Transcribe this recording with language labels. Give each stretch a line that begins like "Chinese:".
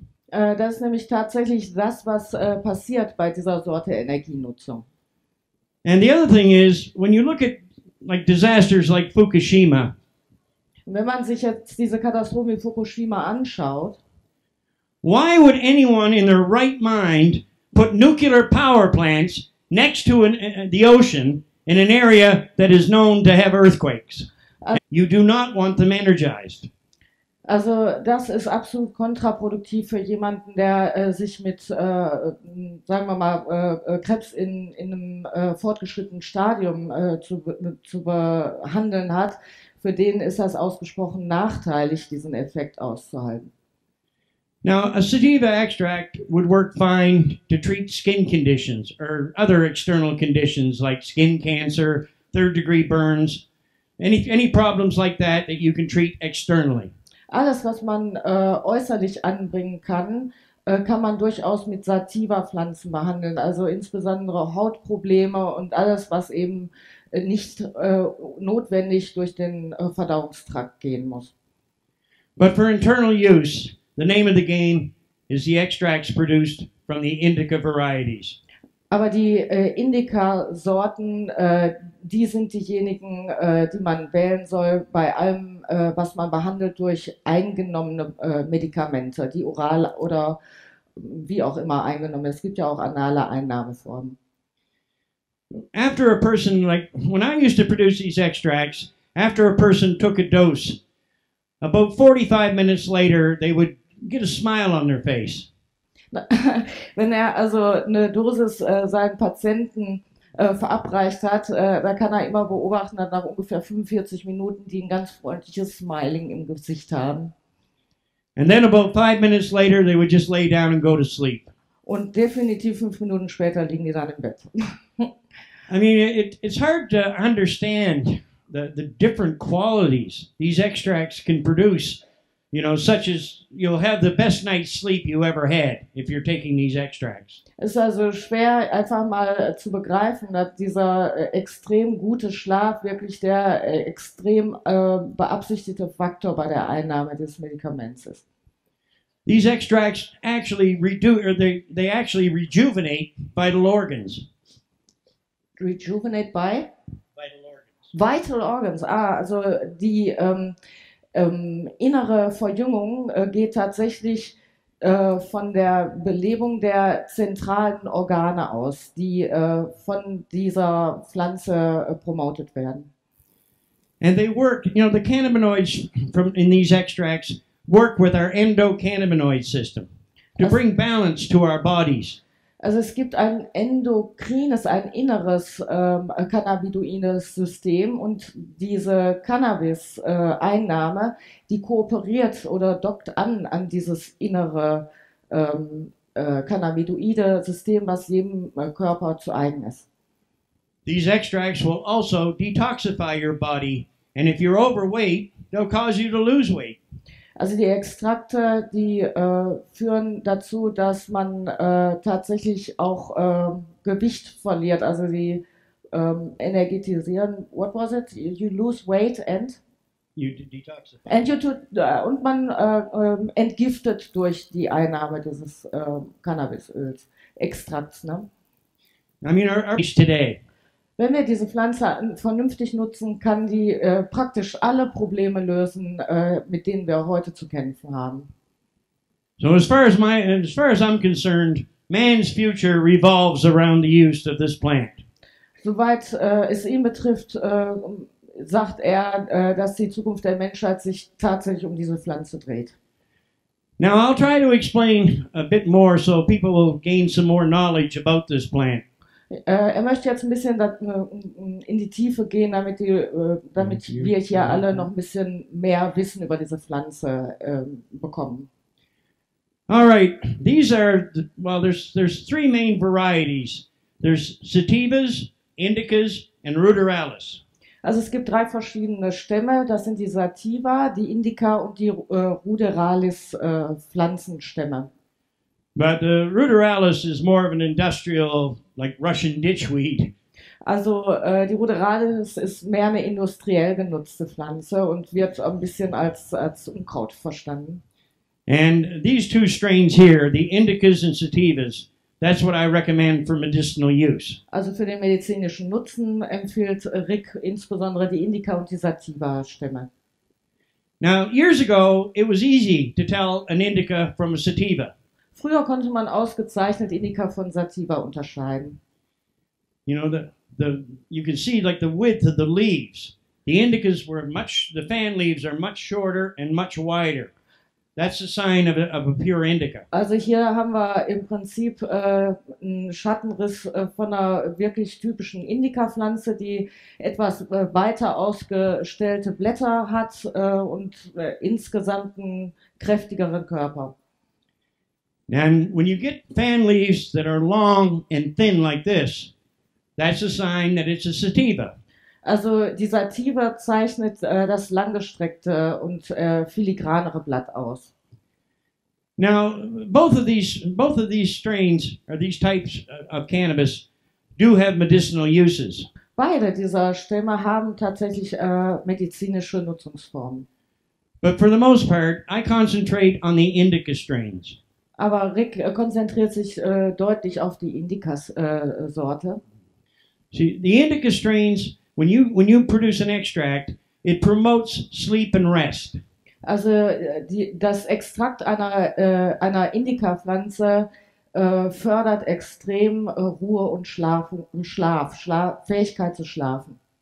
German: Das ist nämlich tatsächlich das, was passiert bei dieser Sorte Energienutzung.
English: And the other thing is, when you look at like disasters like Fukushima.
German: Wenn man sich jetzt diese Katastrophe in Fukushima anschaut,
English: why would anyone in their right mind put nuclear power plants next to the ocean in an area that is known to have earthquakes? You do not want them energized.
German: Also das ist absolut kontraproduktiv für jemanden, der sich mit, sagen wir mal, Krebs in einem fortgeschrittenen Stadium zu behandeln hat. Für den ist das ausgesprochen nachteilig, diesen Effekt auszuhalten.
English: Now, a sativa extract would work fine to treat skin conditions or other external conditions like skin cancer, third-degree burns, any problems like that that you can treat externally.
German: Alles, was man äußerlich anbringen kann, kann man durchaus mit Sativa-Pflanzen behandeln, also insbesondere Hautprobleme und alles, was eben nicht notwendig durch den Verdauungstrakt gehen muss.
English: But for internal use, the name of the game is the extracts produced from the Indica varieties.
German: Aber die Indica-Sorten, die sind diejenigen, die man wählen soll bei allem, was man behandelt durch eingenommene Medikamente, die oral oder wie auch immer eingenommen. Es gibt ja auch anale Einnahmeformen.
English: After a person, like when I used to produce these extracts, after a person took a dose, about 45 minutes later, they would get a smile on their face.
German: Wenn er also eine Dosis seinen Patienten verabreicht hat, da kann er immer beobachten, dass nach ungefähr 45 Minuten die ein ganz freundliches Smiling im Gesicht haben.
English: And then about 5 minutes later they would just lay down and go to sleep.
German: Und definitiv 5 Minuten später liegen die dann im Bett.
English: I mean, it's hard to understand the different qualities these extracts can produce. You know, such as you'll have the best night's sleep you ever had if you're taking these extracts.
German: Es ist also schwer, einfach mal zu begreifen, dass dieser extrem gute Schlaf wirklich der extrem beabsichtigte Faktor bei der Einnahme des Medikaments ist.
English: These extracts actually they actually rejuvenate vital organs. Rejuvenate by? Vital organs. Vital organs.
German: Ah, also die. Innere Verjüngung geht tatsächlich von der Belebung der zentralen Organe aus, die von dieser Pflanze promotet werden.
English: And they work, you know, the cannabinoids from in these extracts work with our endocannabinoid system to bring balance to our bodies.
German: Also es gibt ein endokrines, ein inneres cannabinoides System und diese Cannabis-Einnahme, die kooperiert oder dockt an dieses innere cannabinoide System, was jedem Körper zu eigen ist.
English: These extracts will also detoxify your body and if you're overweight, they'll cause you to lose weight.
German: Also die Extrakte, die führen dazu, dass man tatsächlich auch Gewicht verliert. Also sie energetisieren.
English: What was it? You lose weight and? You detoxify. And you
German: und man entgiftet durch die Einnahme dieses Cannabisöls, Extrakts. Ne?
English: I mean, today.
German: Wenn wir diese Pflanze vernünftig nutzen, kann die praktisch alle Probleme lösen, mit denen wir heute zu kämpfen haben.
English: So as far as I'm concerned, man's future revolves around the use of this plant.
German: Soweit es ihn betrifft, sagt er, dass die Zukunft der Menschheit sich tatsächlich um diese Pflanze dreht.
English: Now I'll try to explain a bit more so people will gain some more knowledge about this plant.
German: Er möchte jetzt ein bisschen in die Tiefe gehen, damit wir hier alle noch ein bisschen mehr Wissen über diese Pflanze bekommen.
English: All right, these are there's three main varieties. There's sativas, indicas and ruderalis.
German: Also es gibt drei verschiedene Stämme. Das sind die Sativa, die Indica und die ruderalis Pflanzenstämme.
English: But ruderalis is more of an industrial, like Russian ditchweed.
German: Also die Ruderale ist mehr eine industriell genutzte Pflanze und wird ein bisschen als Unkraut verstanden.
English: And these two strains here, the Indicas and Sativas, that's what I recommend for medicinal use.
German: Also für den medizinischen Nutzen empfiehlt Rick insbesondere die Indica und die Sativa-Stämme.
English: Now, years ago, it was easy to tell an Indica from a Sativa.
German: Früher konnte man ausgezeichnet Indica von Sativa unterscheiden.
English: You know, you can see like the width of the leaves. The Indicas were the fan leaves are much shorter and much wider. That's a sign of a pure Indica.
German: Also hier haben wir im Prinzip einen Schattenriss von einer wirklich typischen Indica-Pflanze, die etwas weiter ausgestellte Blätter hat und insgesamt einen kräftigeren Körper.
English: And when you get fan leaves that are long and thin like this, that's a sign that it's a sativa.
German: Also die Sativa zeichnet das langgestreckte und filigranere Blatt aus.
English: Now, both of these strains or these types of cannabis do have medicinal uses.
German: Beide dieser Stämme haben tatsächlich medizinische Nutzungsformen.
English: But for the most part, I concentrate on the Indica strains.
German: Aber Rick konzentriert sich deutlich auf die Indica-Sorte.
English: See, the Indica strains, when you produce an extract, it promotes sleep and rest.
German: Also das Extrakt einer Indica-Pflanze fördert extrem Ruhe und Fähigkeit zu schlafen.